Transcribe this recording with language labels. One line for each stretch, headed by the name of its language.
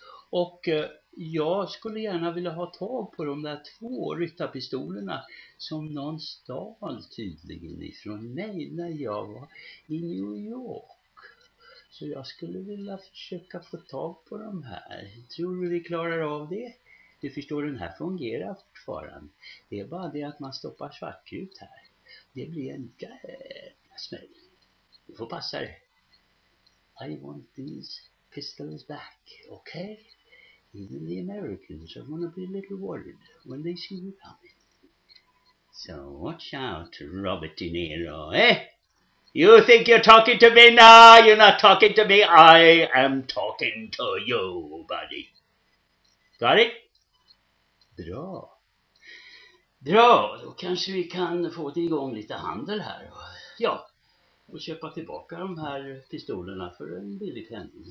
Swedish: Och jag skulle gärna vilja ha tag på de där två ryttarpistolerna som någon stal tydligen ifrån mig när jag var i New York. Så jag skulle vilja försöka få tag på de här. Tror du vi klarar av det? Du förstår, den här fungerar fortfarande. Det är bara det att man stoppar svartkrut här. Det blir en jävla smäll. Du får passa det.
English: I want these pistols back, okay? Even the Americans are gonna be a little worried when they see you coming. So watch out, Robert De Niro, eh? You think you're talking to me? Nah, you're not talking to me. I am talking to you, buddy. Got it?
Swedish: Bra. Bra, då kanske vi kan få igång lite handel här. Ja, och köpa tillbaka de här pistolerna för en billig penning.